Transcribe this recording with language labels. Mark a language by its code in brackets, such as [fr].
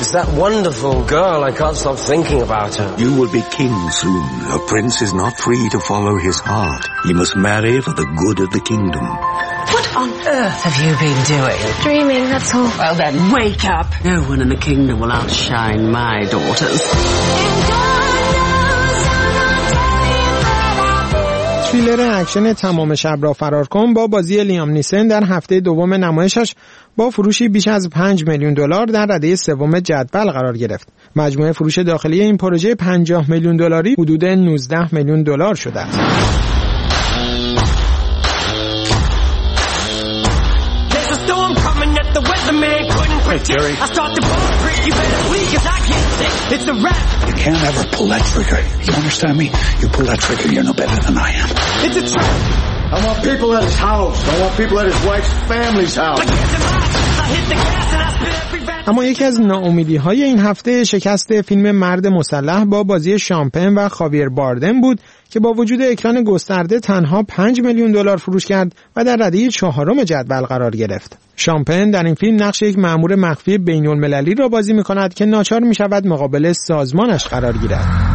[en] It's that wonderful girl, I can't stop thinking about her. You will be king soon. A prince is not free to follow his heart. He must marry for the good of the kingdom. What on earth have you been doing? Dreaming, that's all. Well then, wake up. No one in the kingdom will outshine my daughters. [fa] تریلر اکشن تمام شب را فرار کن با بازی لیام نیسن در هفته دوم نمایشش با فروشی بیش از 5 میلیون دلار در رده سوم جدول قرار گرفت. مجموعه فروش داخلی این پروژه 50 میلیون دلاری حدود 19 میلیون دلار شده است. [en] It's a rap. You can't ever pull that trigger. You understand me? You pull that trigger, you're no better than I am. It's a trap. I want people at his house. I want people at his wife's family's house. [fa] اما یکی از ناامیدی‌های این هفته شکست فیلم مرد مسلح با بازی شامپن و خاویر باردم بود که با وجود اکران گسترده تنها 5 میلیون دلار فروش کرد و در رده چهارم جدول قرار گرفت. شامپن در این فیلم نقش یک مأمور مخفی بین‌المللی را بازی می‌کند که ناچار می‌شود مقابل سازمانش قرار گیرد.